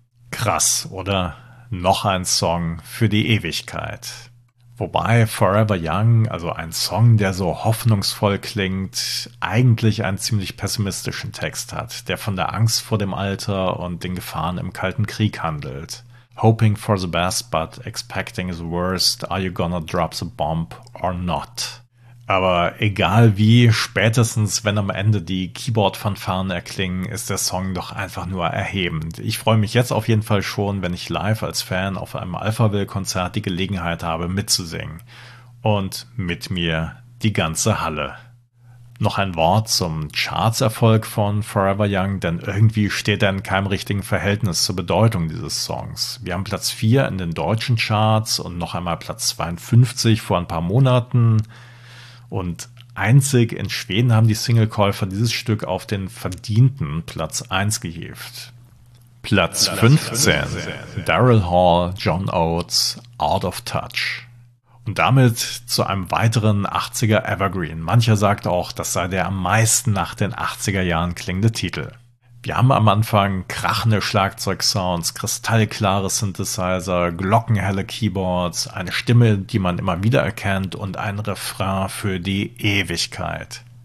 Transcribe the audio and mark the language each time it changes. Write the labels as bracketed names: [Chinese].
[German] Krass, oder? Noch ein Song für die Ewigkeit. Wobei Forever Young, also ein Song, der so hoffnungsvoll klingt, eigentlich einen ziemlich pessimistischen Text hat, der von der Angst vor dem Alter und den Gefahren im Kalten Krieg handelt. [English] Hoping for the best, but expecting the worst. Are you gonna drop the bomb or not? [German] Aber egal wie, spätestens wenn am Ende die Keyboard-Fanfaren erklingen, ist der Song doch einfach nur erhebend. Ich freue mich jetzt auf jeden Fall schon, wenn ich live als Fan auf einem Alphaville-Konzert die Gelegenheit habe, mitzusingen. Und mit mir die ganze Halle. Noch ein Wort zum Charts-Erfolg von Forever Young, denn irgendwie steht er in keinem richtigen Verhältnis zur Bedeutung dieses Songs. Wir haben Platz 4 in den deutschen Charts und noch einmal Platz 52 vor ein paar Monaten. Und einzig in Schweden haben die Singlekäufer dieses Stück auf den verdienten Platz 1 gehievt. Platz 15. Daryl Hall, John Oates, Out of Touch. Und damit zu einem weiteren 80er Evergreen. Mancher sagt auch, das sei der am meisten nach den 80er Jahren klingende Titel. Wir haben am Anfang krachende Schlagzeugsounds, kristallklare Synthesizer, glockenhelle Keyboards, eine Stimme, die man immer wieder erkennt und ein Refrain für die Ewigkeit.